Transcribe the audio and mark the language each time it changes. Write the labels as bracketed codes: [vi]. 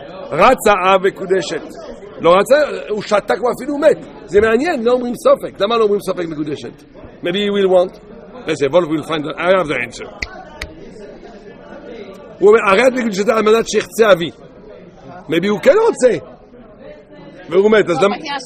[he] רצה אב מקודשת, לא רצה, הוא שתק ואפילו מת, זה מעניין, לא אומרים ספק, למה לא אומרים ספק מקודשת? [en] Maybe he will want, listen, Wolf will find that, I have the answer. [he] הוא אומר, הרי את מקודשת על מנת שיחצה אבי, [en] maybe [he] הוא כן רוצה, והוא מת, אז למה...